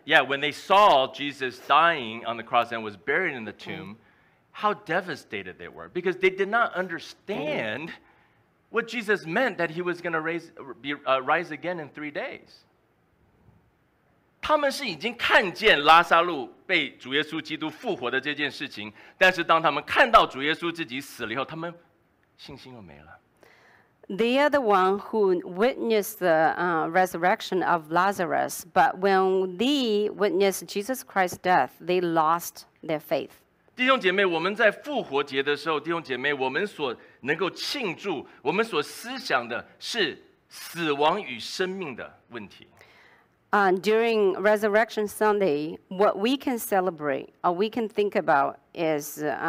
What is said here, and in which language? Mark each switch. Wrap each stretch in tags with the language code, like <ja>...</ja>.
<en>Yeah, when they saw Jesus dying on the cross and was buried in the tomb, how devastated they were because they did not understand what Jesus meant that he was going to rise again in 3 days.</en> <zh>他们是已经看见拉撒路被主耶稣基督复活的这件事情，但是当他们看到主耶稣自己死了以后，他们信心又没了。</zh> <en>They are the one who witnessed the resurrection of Lazarus, but when they witnessed Jesus Christ's death, they lost their faith.</en> <zh>弟兄姐妹，我们在复活节的时候，弟兄姐妹，我们所能够庆祝，我们所思想的是死亡与生命的问题。</zh> <en>During Resurrection Sunday, what we can celebrate or we can think about is</en>